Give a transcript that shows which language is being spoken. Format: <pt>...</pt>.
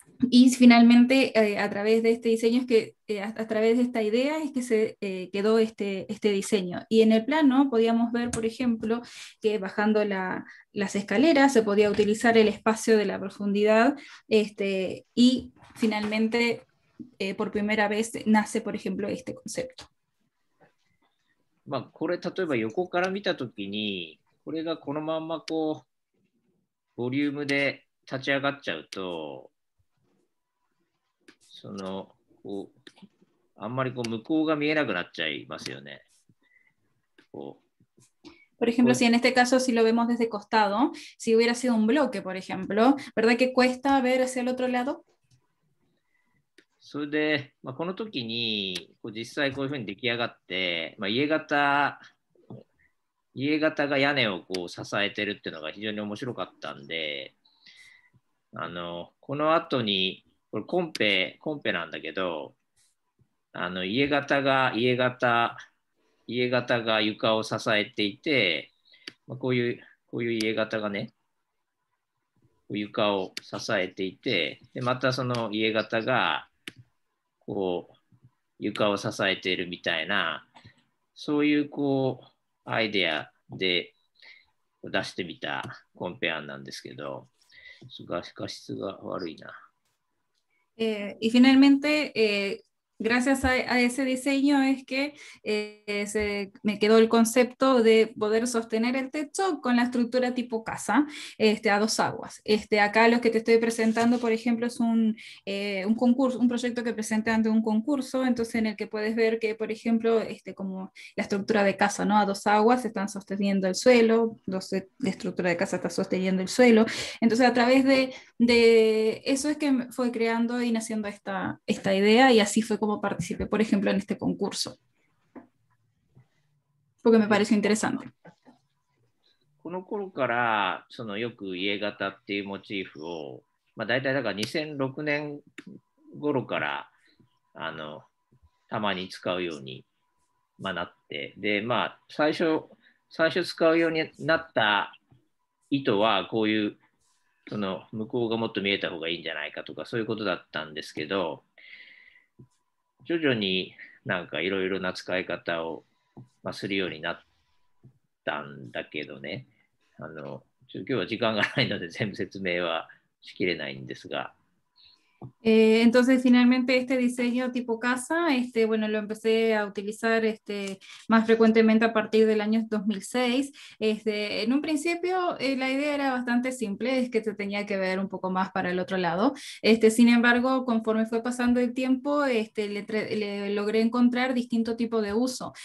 <es>Y finalmente, a través de este diseño, es que a través de esta idea es que se quedó este diseño. Y en el plano podíamos ver, por ejemplo, que bajando las escaleras se podía utilizar el espacio de la profundidad, y finalmente, por primera vez, nace, por ejemplo, este concepto.</es> <ja>これ例えば横から見た時にこれがこのままこうボリュームで立ち上がっちゃうと、こうあんまりこう向こうが見えなくなっちゃいますよね。こう</ja> <es>Por ejemplo, si en este caso, si lo vemos desde costado, si hubiera sido un bloque, por ejemplo, ¿verdad que cuesta ver hacia el otro lado?</es> <ja>それで、まあ、この時にこう実際こういうふうに出来上がって、まあ、家型が屋根をこう支えてるっていうのが非常に面白かったんで、あのこの後にこれコンペなんだけど、あの家型が床を支えていて、まあ、こういう家型がね床を支えていて、でまたその家型がこう床を支えているみたいな、そういうこうアイデアで出してみたコンペ案なんですけど、画質が悪いな。</ja> <es>Y finalmente, gracias a ese diseño es que se me quedó el concepto de poder sostener el techo con la estructura tipo casa, a dos aguas. Acá lo que te estoy presentando, por ejemplo, es un concurso, un proyecto que presenté ante un concurso, entonces en el que puedes ver que, por ejemplo, como la estructura de casa, ¿no? A dos aguas están sosteniendo el suelo, la estructura de casa está sosteniendo el suelo. Entonces a través de eso es que fue creando y naciendo esta idea, y así fue como participé, por ejemplo, en este concurso. Porque me pareció interesante.</es> <ja>この頃からそのよく家型っていうモチーフを、まあ、大体だから2006年頃からあのたまに使うようになって、で、まあ、最初使うようになった意図はこういうその向こうがもっと見えた方がいいんじゃないかとかそういうことだったんですけど、徐々になんかいろいろな使い方をするようになったんだけどね、あの今日は時間がないので全部説明はしきれないんですが、</ja> <es>entonces finalmente este diseño tipo casa, bueno, lo empecé a utilizar más frecuentemente a partir del año 2006. En un principio la idea era bastante simple, es que se tenía que ver un poco más para el otro lado. Sin embargo, conforme fue pasando el tiempo, le logré encontrar distinto tipo de uso.</es>